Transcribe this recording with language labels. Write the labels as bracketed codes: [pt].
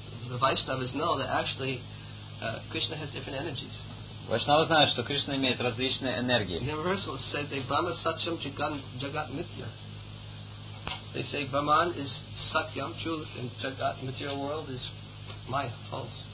[en] The Vaishnavas know that actually Krishna has different energies. [ru] Вайшнава знает, что Кришна имеет различные энергии. [en] Universal said they [sa] Brahma Satyam Jagat Nitya. [en] They say Brahman is Satyam truth and Jagat material world is Maya false.